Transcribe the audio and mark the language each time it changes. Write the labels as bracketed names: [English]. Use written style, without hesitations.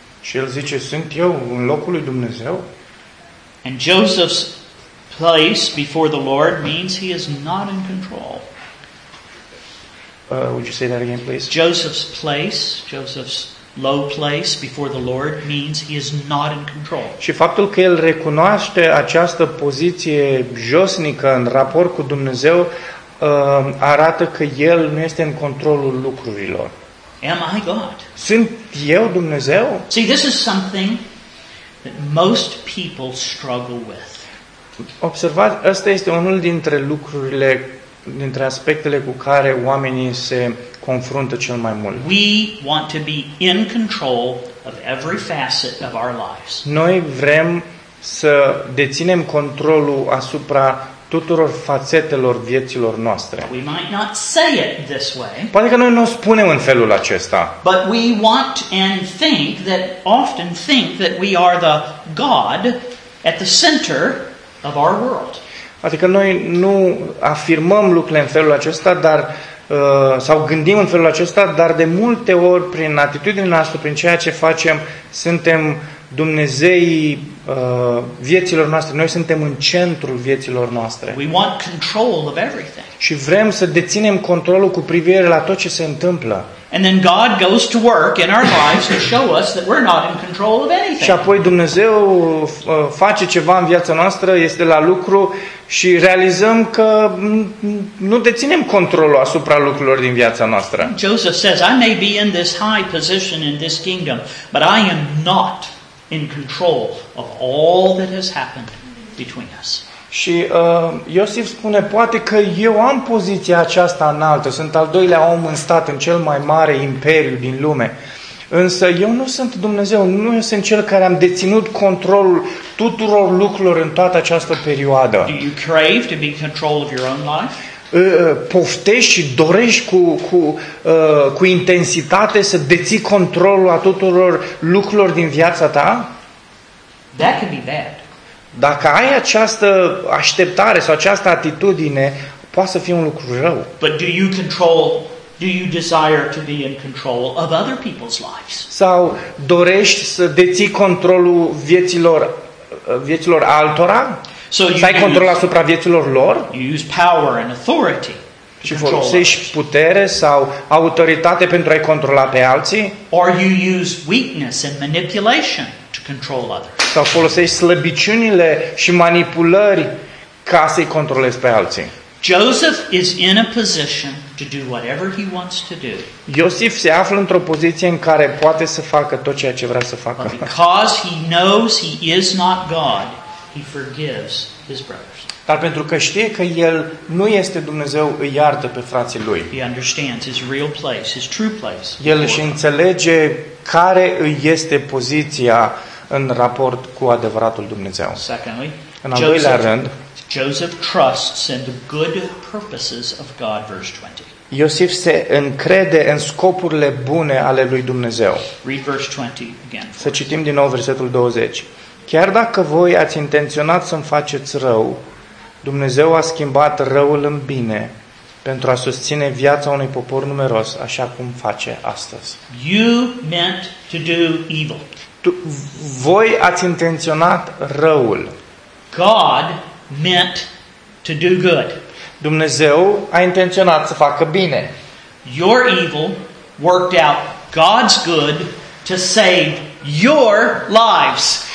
[Romanian] Și el zice, sunt eu în locul lui Dumnezeu? [English] And Joseph's place before the Lord means he is not in control. Would you say that again, please? Joseph's low place before the Lord means he is not in control. [Romanian] Și faptul că el recunoaște această poziție josnică în raport cu Dumnezeu arată că el nu este în controlul lucrurilor. [English] Am I God? [Romanian] Sunt eu Dumnezeu? [English] See, this is something that most people struggle with. [Romanian] Observați, ăsta este unul dintre lucrurile, dintre aspectele cu care oamenii se confruntă cel mai mult. [English] We want to be in control of every facet of our lives. [Romanian] Noi vrem să deținem controlul asupra tuturor fațetelor vieților noastre. [English] We might not say it this way. [Romanian] Poate că noi nu o spunem în felul acesta. [English] But we want and think that often think that we are the God at the center of our world. [Romanian] Adică noi nu afirmăm lucrurile în felul acesta, dar sau gândim în felul acesta, dar de multe ori prin atitudinea noastră, prin ceea ce facem, suntem Dumnezeii vieților noastre. Noi suntem în centrul vieților noastre. [English] We want control of everything. [Romanian] Și vrem să deținem controlul cu privire la tot ce se întâmplă. [English] And then God goes to work in our lives to show us that we're not in control of anything. [Romanian] Și apoi Dumnezeu face ceva în viața noastră, este la lucru și realizăm că nu deținem controlul asupra lucrurilor din viața noastră. [English] Joseph says, I may be in this high position in this kingdom, but I am not in control of all that has happened between us. [Romanian] Și Iosif spune, poate că eu am poziția aceasta înaltă, sunt al doilea om în stat, în cel mai mare imperiu din lume. Însă eu nu sunt Dumnezeu, nu sunt cel care am deținut controlul tuturor lucrurilor în toată această perioadă. [English] Do you crave to be in control of your own life? [Romanian] Poftești și dorești cu intensitate să deții controlul a tuturor lucrurilor din viața ta? [English] That can be bad. [Romanian] Dacă ai această așteptare sau această atitudine, poate să fie un lucru rău. [English] But do you control, do you desire to be in control of other people's lives? [Romanian] Sau dorești să deții controlul vieților altora? So să ai control asupra vieților lor? [English] You use power and authority. [Romanian] Și folosești putere sau autoritate pentru a-i controla pe alții? [English] Or you use weakness and manipulation to control others. [Romanian] Sau folosești slăbiciunile și manipulări ca să-i controlezi pe alții. [English] Joseph is in a position to do whatever he wants to do. [Romanian] Iosif se află într-o poziție în care poate să facă tot ceea ce vrea să facă. [English] But because he knows he is not God, he forgives his brothers. [Romanian] Dar pentru că știe că el nu este Dumnezeu, îi iartă pe frații lui. [English] He understands his real place, his true place. [Romanian] El își înțelege care îi este poziția în raport cu adevăratul Dumnezeu. [English] Secondly, [Romanian] în al doilea rând, [English] Joseph trusts in the good purposes of God, verse 20. [Romanian] Iosif se încrede în scopurile bune ale lui Dumnezeu. [English] Read verse 20 again. [Romanian] Să citim din nou versetul 20. Chiar dacă voi ați intenționat să-mi faceți rău, Dumnezeu a schimbat răul în bine pentru a susține viața unui popor numeros, așa cum face astăzi. [English] You meant to do evil. [Romanian] Voi ați intenționat răul. [English] God meant to do good. [Romanian] Dumnezeu a intenționat să facă bine. [English] Your evil worked out God's good to save your lives.